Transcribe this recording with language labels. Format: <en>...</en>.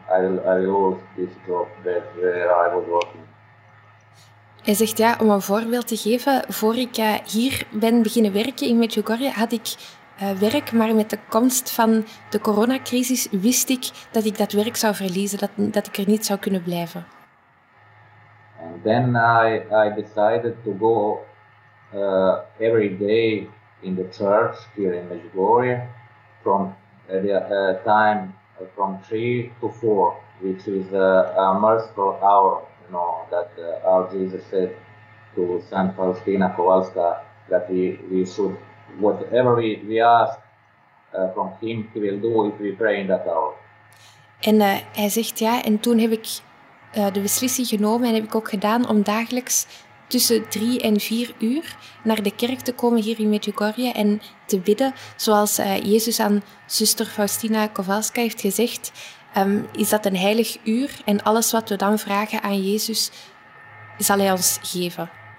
<en>I will lose this job where I was working.</en> <nl>Hij zegt, ja, om een voorbeeld te geven, voor ik hier ben beginnen werken in Medjugorje, had ik werk, maar met de komst van de coronacrisis wist ik dat werk zou verliezen, dat ik er niet zou kunnen blijven.</nl> <en>And then I decided to go every day in the church here in Medjugorje from the time from 3 to 4, which is a merciful hour, you know, that our Jesus said to Saint Faustina Kowalska that we should, whatever we ask from him, he will do if we pray in that hour.</en> <nl>En hij zegt, ja, en toen heb ik de beslissing genomen en heb ik ook gedaan om dagelijks tussen 3 en 4 uur naar de kerk te komen hier in Medjugorje en te bidden. Zoals Jezus aan zuster Faustina Kowalska heeft gezegd, is dat een heilig uur en alles wat we dan vragen aan Jezus, zal hij ons geven.</nl>